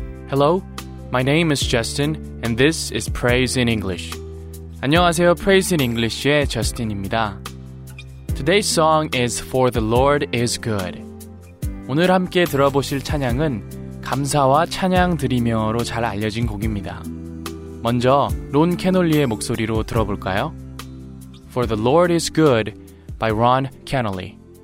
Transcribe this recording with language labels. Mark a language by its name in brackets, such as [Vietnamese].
[English] Hello, my name is Justin, and this is Praise in English. [Korean] 안녕하세요, [English] Praise in English의 Justin입니다. Today's song is For the Lord is Good. [Korean] 오늘 함께 들어보실 찬양은 감사와 찬양 드리며로 잘 알려진 곡입니다. 먼저 론 캐널리의 목소리로 들어볼까요? [English] For the Lord is Good by Ron Kennelly.